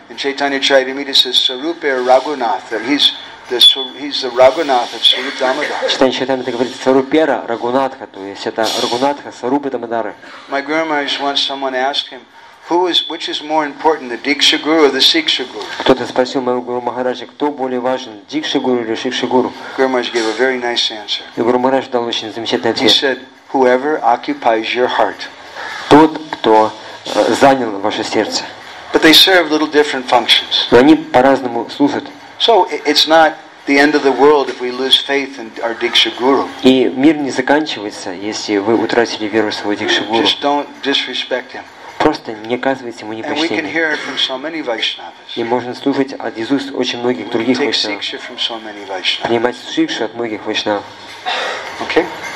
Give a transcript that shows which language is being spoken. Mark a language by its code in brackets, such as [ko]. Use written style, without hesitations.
[en] In Chaitanya Charitamrita says Sarupa Raghunath, that he's the Raghunath of Sarupa Damodara. [ru] Chaitanya Charitamrita говорит Sarupa Raghunatha, то есть это Raghunatha Sarupa Damodara. [en] My grandmother once someone asked him, which is more important, the Diksha Guru or the Siksha Guru? [ru] Кто-то спросил моего гуру Махараджа, кто более важен, Диксха Гуру или Шикша Гуру? [en] Grandmother gave a very nice answer. [ru] И гуру Махарадж дал очень замечательный ответ. [en] He said, whoever occupies your heart. [ru] Тот, кто занял ваше сердце. [en] But they serve little different functions. [ru] Но они по-разному служат. [en] So it's not the end of the world if we lose faith in our Diksha Guru. [ru] И мир не заканчивается, если вы утратили веру в своего Диксха Гуру. [en] Just don't disrespect him. [ru] Просто не оказывайте ему непочтения. И можно слушать от Иисуса очень многих других вайшнав. Принимать сикшу от многих вайшнав. Окей?